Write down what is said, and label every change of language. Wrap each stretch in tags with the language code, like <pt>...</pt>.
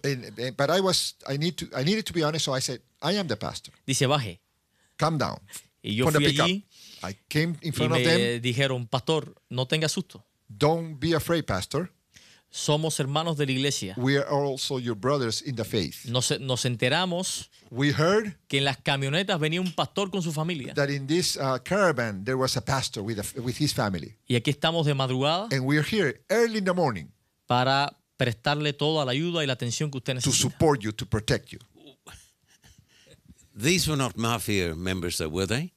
<en>But I needed to be honest, so I said, I am the pastor.</en> <es>Dice, baje.</es> <en>Calm down.</en> <es>Y yo fui allí.</es> <en>I came in front of them.</en> <es>Y me dijeron, pastor, no tenga susto.</es> <en>Don't be afraid, pastor.</en> <es>Somos hermanos de la iglesia.</es> <en>We are also your brothers in the faith.</en> <es>Nos enteramos.</es> <en>We heard</en> <es>que en las camionetas venía un pastor con su familia.</es> <en>That in this caravan there was a pastor with his family.</en> <es>Y aquí estamos de madrugada.</es> <en>And we are here early in the morning.</en> <es>Para prestarle toda la ayuda y la atención que usted necesita.</es> <en>To support you, to protect you. These were not mafia members, though, were they?</en>